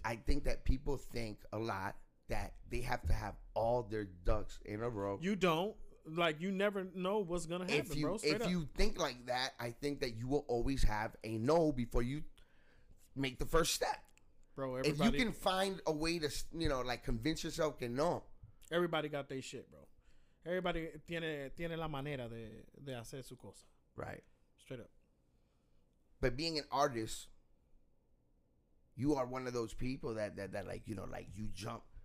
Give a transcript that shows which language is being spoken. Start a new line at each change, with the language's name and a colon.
English: I think that people think a lot that they have to have all their ducks in a row. You don't. Like, you never know what's going to happen, bro. If you think like that, I think that you will always have a no before you make the first step. Bro, everybody. If you can find a way to, you know, like, convince yourself
Spanish: que no.
English: Everybody got their shit, bro. Everybody
Spanish: tiene la manera de hacer su cosa.
English: Right. Straight up. But being an artist, you are one of those people that like, you know, like, you jump.